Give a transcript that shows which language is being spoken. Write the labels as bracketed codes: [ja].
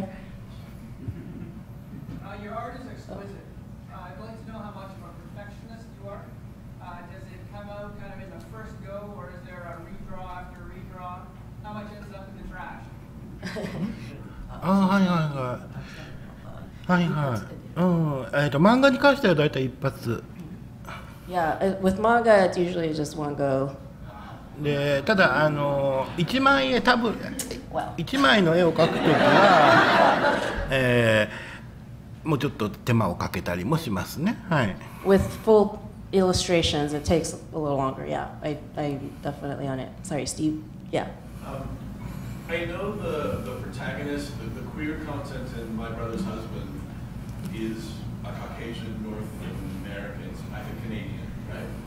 [en] Does it come out kind of in the first go, or is there a redraw after redraw? How much ends up in the trash? [ja] あ、はいはいはい。はいはい。うん、漫画に関しては大体一発。 [en] Yeah, with manga, it's usually just one go. [ja] で、ただ、一枚絵、多分、一枚の絵を描くときは、もうちょっと手間をかけたりもしますね。はい。 [en] With full illustrations, it takes a little longer. Yeah, I'm definitely on it. Sorry, Steve. Yeah. I know the protagonist, the queer content in My Brother's Husband is a Caucasian North American, I think Canadian, right?